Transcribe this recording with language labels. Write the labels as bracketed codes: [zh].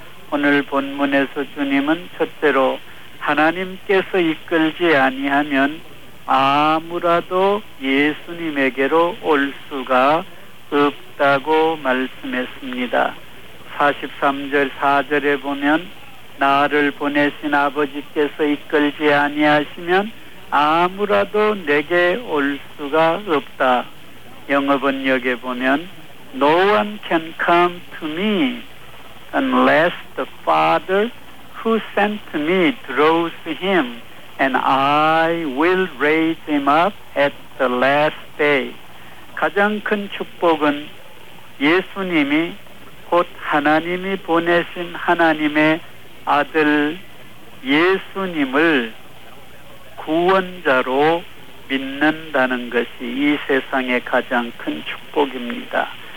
[ko] 오늘 본문에서 주님은 첫째로 하나님께서 이끌지 아니하면 아무라도 예수님에게로 올 수가 없다고 말씀했습니다. 43절 4절에 보면 나를 보내신 아버지께서 이끌지 아니하시면 아무라도 내게 올 수가 없다. 영어 번역에 보면 [en] No one can come to me unless the Father who sent me draws him, and I will raise him up at the last day. [ko] 가장 큰 축복은 예수님이 곧 하나님이 보내신 하나님의 아들 예수님을 구원자로 믿는다는 것이 이 세상의 가장 큰 축복입니다.